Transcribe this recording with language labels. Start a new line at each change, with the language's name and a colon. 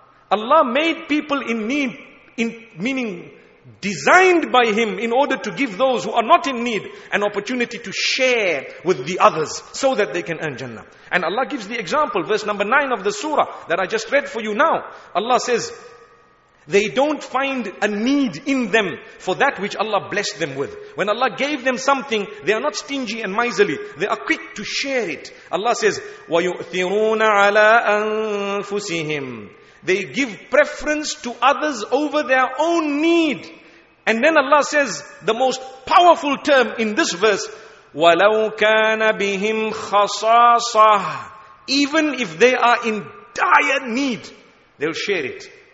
English: Allah made people in need, in meaning designed by Him in order to give those who are not in need an opportunity to share with the others so that they can earn Jannah. And Allah gives the example, verse number 9 of the surah that I just read for you now. Allah says, they don't find a need in them for that which Allah blessed them with. When Allah gave them something, they are not stingy and miserly. They are quick to share it. Allah says,
Arabic: وَيُؤْثِرُونَ عَلَىٰ أَنفُسِهِمْ.
English: They give preference to others over their own need. And then Allah says, the most powerful term in this verse,
Arabic: وَلَوْ كَانَ بِهِمْ خَصَاصَةً.
English: Even if they are in dire need, they'll share it.